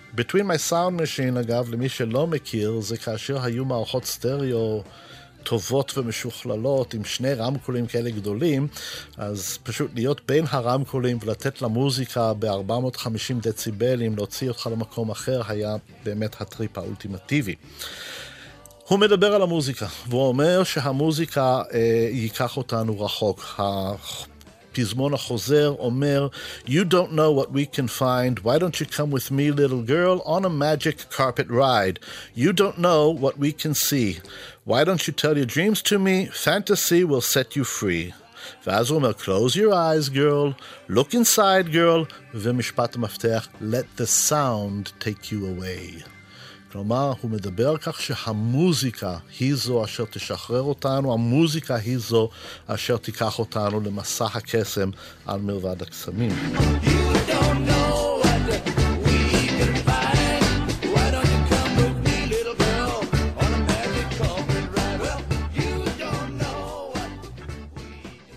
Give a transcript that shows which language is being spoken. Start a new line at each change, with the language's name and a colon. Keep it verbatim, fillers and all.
English: Between my sound machine,
Hebrew: אגב, למי שלא מכיר, זה כאשר היו מערכות סטריאו טובות ומשוכללות, עם שני רמקולים כאלה גדולים, אז פשוט להיות בין הרמקולים ולתת למוזיקה ב-ארבע מאות וחמישים דציבלים, להוציא אותך למקום אחר, היה באמת הטריפ האולטימטיבי. הוא מדבר על המוזיקה, והוא אומר שהמוזיקה אה, ייקח אותנו רחוק. הפזמון החוזר אומר,
English: You don't know what we can find, why don't you come with me little girl on a magic carpet ride? You don't know what we can see, why don't you tell your dreams to me, fantasy will set you free.
Hebrew: ואז הוא אומר,
English: Close your eyes girl, look inside girl,
Hebrew: ומשפט המפתח,
English: Let the sound take you away.
Hebrew: כלומר, הוא מדבר על כך שהמוזיקה היא זו אשר תשחרר אותנו, המוזיקה היא זו אשר תיקח אותנו למסע הקסם על מרבד הקסמים.
English: You don't know what we can find. Why don't you come with me, little girl, on a magic carpet ride? Well, you don't know what we can see.